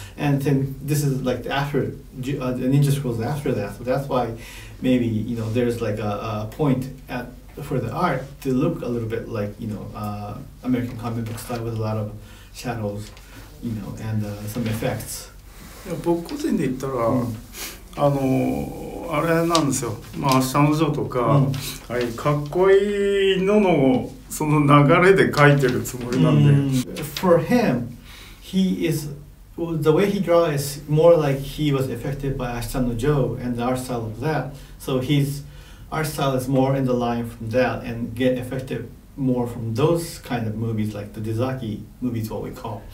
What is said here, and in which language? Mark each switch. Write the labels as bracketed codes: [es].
[en] And then this is like after, the Ninja Scrolls after that. So that's why maybe, you know, there's like a point at, for the art to look a little bit like, you know, American comic book style with a lot of shadows, you know, and some effects. [ja] Yeah, 僕個人で言ったら、あの、あれなんですよ。まあ、明日の城とか、はい、かっこいいののその流れで描いてるつもりなんで。 [en] For him, he is, the way he draws is more like he was affected by 明日の城 and the art style of that, so he'sArt style is more in the line from that and get affected more from those kind of movies like the Dezaki movies, what we call.